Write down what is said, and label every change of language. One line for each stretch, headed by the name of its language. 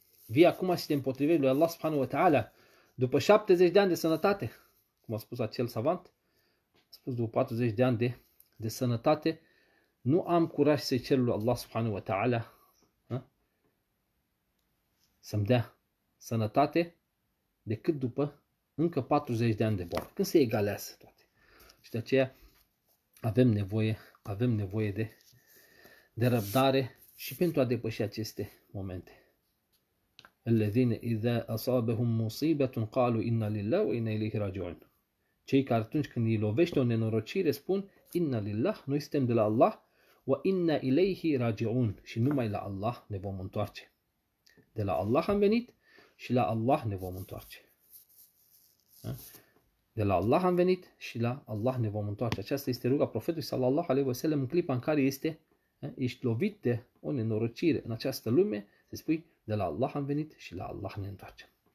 Romanian: Vii acum și te împotrivești lui Allah subhanahu wa ta'ala, după 70 de ani de sănătate, cum a spus acel savant, a spus după 40 de ani de sănătate, nu am curaj să-i cer lui Allah subhanahu wa ta'ala să-mi dea sănătate decât după încă 40 de ani de boală. Când se egalează toate. Și de aceea avem nevoie de răbdare și pentru a depăși aceste momente.
Arabic: الذين إذا أصابهم مصيبة قالوا إنا لله وإنا إليه راجعون.
Romanian: Cei care atunci când îi lovește o nenorocire spun
Arabic: إنا لله,
Romanian: noi suntem de la Allah,
Arabic: وإنا إليه راجعون,
Romanian: și numai la Allah ne vom întoarce. De la Allah am venit și la Allah ne vom întoarce. De la Allah am venit și la Allah ne vom întoarce. Aceasta este ruga Profetului sallallahu alaihi wasallam în clipa în care ești lovit de o nenorocire în această lume, să spui de la Allah am venit și la Allah ne întoarcem.